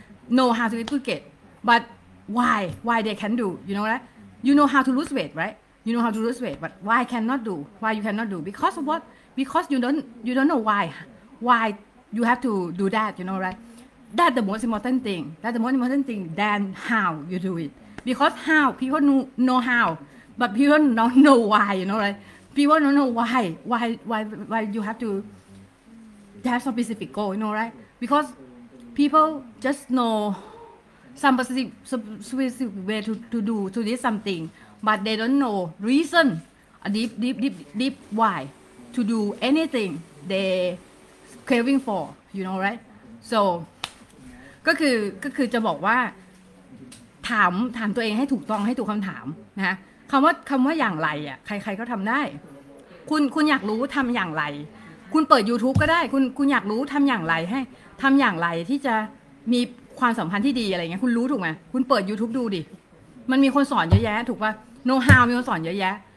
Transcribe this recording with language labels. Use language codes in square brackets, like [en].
[en] know how to get good grade but why they can do you know right you know how to lose weight right you know how to lose weight but why you cannot do because of what because you don't know why you have to do that you know right that's the most important thing than how you do it because how people know howBut people don't know why, you know, right? People don't know why you have to have some specific goal, you know, right? Because people just know some specific way to do something, but they don't know reason, a deep why to do anything they craving for, you know, right? [th] So, ก็คือจะบอกว่าถามตัวเองให้ถูกต้องให้ถูกคำถามนะฮะคำว่าอย่างไรอ่ะใครๆก็ทำได้คุณอยากรู้ทำอย่างไรคุณเปิด YouTube ก็ได้คุณอยากรู้ทำอย่างไรให้ทำอย่างไรที่จะมีความสัมพันธ์ที่ดีอะไรเงี้ยคุณรู้ถูกไหมคุณเปิด YouTube ดูดิมันมีคนสอนเยอะแยะถูกป่ะ Know how มีคนสอนเยอะแยะ